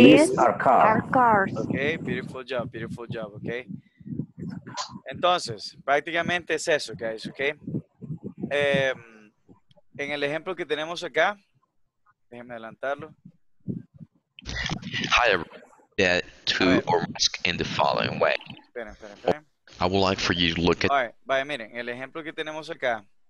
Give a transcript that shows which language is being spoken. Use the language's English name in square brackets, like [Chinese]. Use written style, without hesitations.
[English] These are cars. Okay, beautiful job, okay? [Spanish] Entonces, prácticamente es eso, [English] guys, okay? [Spanish] En el ejemplo que tenemos acá, déjenme adelantarlo. [English] Hi, everyone. Yeah, two or more in the following way. [Spanish] Espera. [English] I would like for you to look at... [Spanish] All right, vaya, miren, el ejemplo que tenemos acá.